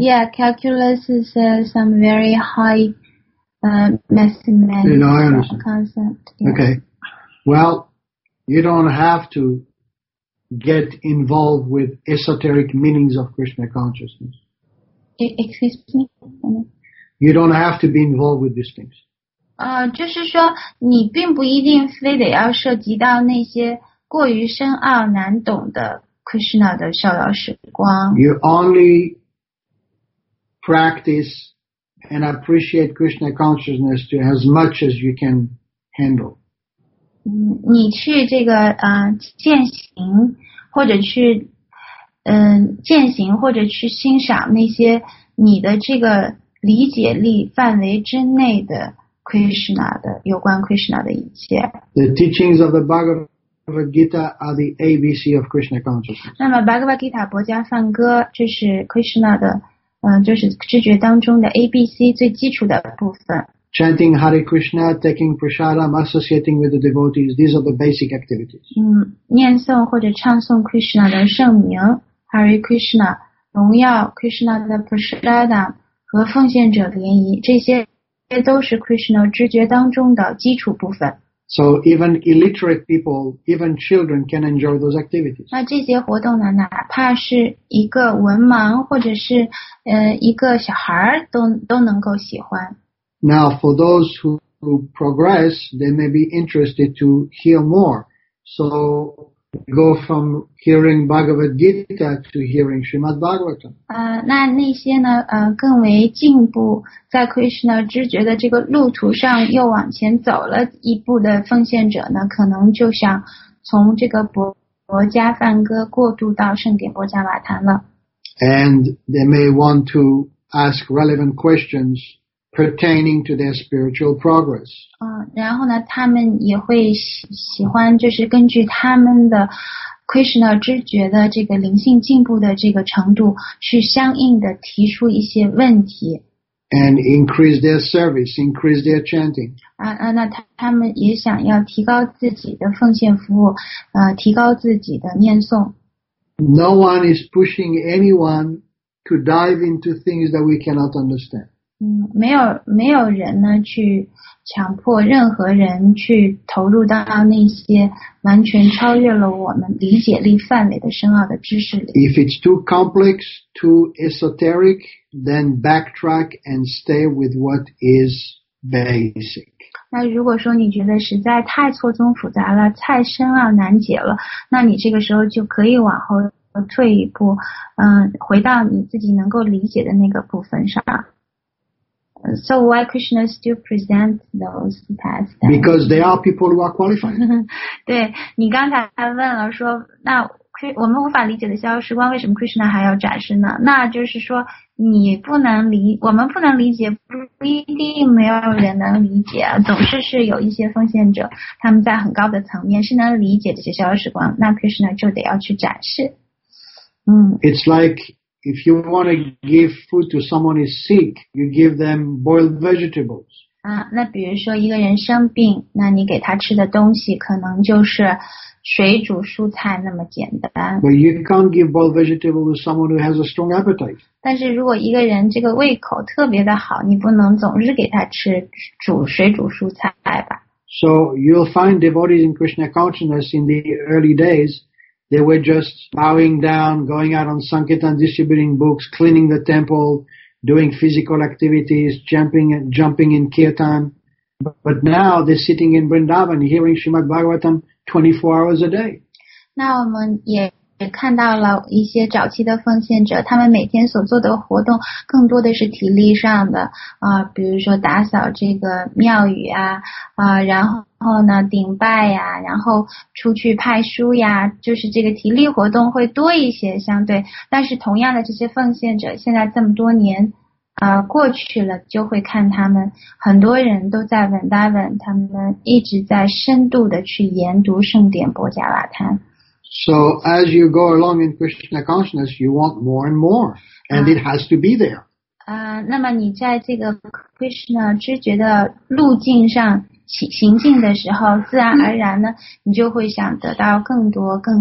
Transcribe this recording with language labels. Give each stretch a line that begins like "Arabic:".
English: Yeah, calculus is some very high mathematical concept. Yeah. Okay. Well, you don't have to... get involved with esoteric meanings of Krishna consciousness. Excuse me? You don't have to be involved with these things.
Chinese: 就是说你并不一定非得要涉及到那些过于深奥难懂的 Krishna 的逍遥时光。
English: You only practice and appreciate Krishna consciousness to as much as you can handle.
Chinese: 你去这个践行或者去践行或者去欣赏那些你的这个理解力范围之内的 Krishna 的有关 Krishna 的一切。
English: The teachings of the Bhagavad Bhagavad Gita are the ABC of Krishna consciousness.
Chinese: 那么 Bhagavad Gita 博迦梵歌这是 Krishna 的就是知觉当中的 ABC 最基础的部分。
English: Chanting Hare Krishna, taking prasadam, associating with the devotees, these are the basic activities.
Chinese: 念诵或者唱诵 Krishna 的圣名 ,Hare Krishna, 荣耀 Krishna 的 prasadam, 和奉献者联谊这些都是 Krishna 知觉当中的基础部分。
English: So even illiterate people, even children can enjoy those activities.
Chinese: 那这些活动呢，哪怕是一个文盲或者是一个小孩都能够喜欢。
English: Now, for those who progress, they may be interested to hear more. So, go from hearing Bhagavad Gita to hearing Srimad Bhagavatam.
Chinese: 那些呢，更为进步，在 Krishna 知觉的这个路途上又往前走了一步的奉献者呢，可能就想从这个博迦梵歌过渡到圣典博迦瓦坛了。
English: And they may want to ask relevant questions. Pertaining to their spiritual progress.
Chinese: 然后呢，他们也会喜欢，就是根据他们的 Krishna 知觉的这个灵性进步的这个程度，去相应的提出一些问题。
English: And increase their service, increase their chanting.
Chinese: 那他们也想要提高自己的奉献服务，提高自己的念诵。
English: No one is pushing anyone to dive into things that we cannot understand.
Chinese: 没有人呢去强迫任何人去投入到那些完全超越了我们理解力范围的深奥的知识里。
English: If it's too complex, too esoteric, then backtrack and stay with what is basic.
Chinese: 那如果说你觉得实在太错综复杂了，太深奥难解了，那你这个时候就可以往后退一步，回到你自己能够理解的那个部分上。
English: So why Krishna still present those paths? Because there are people who are qualified.
Chinese: 对，你刚才问了说，那我们无法理解的逍遥时光为什么 Krishna 还要展示呢？那就是说，我们不能理解，不一定没有人能理解，总是有一些奉献者，他们在很高的层面是能理解这些逍遥时光，那 Krishna 就得要去展示。
English: It's like,If you want to give food to someone who's sick, you give them boiled vegetables.
Chinese: 那比如说一个人生病，那你给他吃的东西可能就是水煮蔬菜那么简单。
English: But you can't give boiled vegetables to someone who has a strong appetite.
Chinese: 但是如果一个人这个胃口特别的好，你不能总是给他吃水煮蔬菜吧。
English: So you'll find devotees in Krishna consciousness in the early days. They were just bowing down, going out on Sankirtan, distributing books, cleaning the temple, doing physical activities, jumping in Kirtan. But now they're sitting in Vrindavan, hearing Srimad Bhagavatam 24 hours a day.
Chinese: 那我们也看到了一些早期的奉献者，他们每天所做的活动更多的是体力上的，比如说打扫这个庙宇啊，然后呢顶拜呀，然后出去派书呀，就是这个体力活动会多一些相对，但是同样的这些奉献者现在这么多年过去了，就会看他们很多人都在稳打稳，他们一直在深度的去研读圣典博迦瓦坛。
English: So as you go along in Krishna consciousness, you want more and more, and it has to be there.
Chinese: 那么你在这个 Krishna 知觉的路径上行进的时候，自然而然呢，你就会想得到更多。